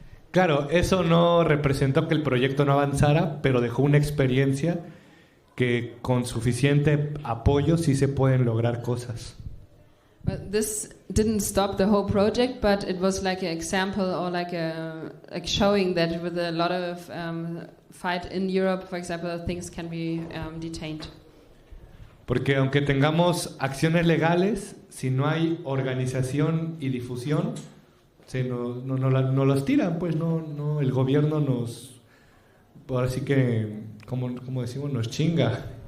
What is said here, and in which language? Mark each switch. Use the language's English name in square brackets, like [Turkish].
[Spanish] Claro, eso no representó que el proyecto no avanzara, pero dejó una experiencia que con suficiente apoyo sí se pueden lograr cosas. [English] But this didn't stop the whole project, but it was like an example or like showing that with a lot of fight in Europe, for example, things can be detained. [Spanish] Porque aunque tengamos acciones legales, si no hay organización y difusión, no las tiran, el gobierno nos, ahora sí que, como decimos, nos chinga.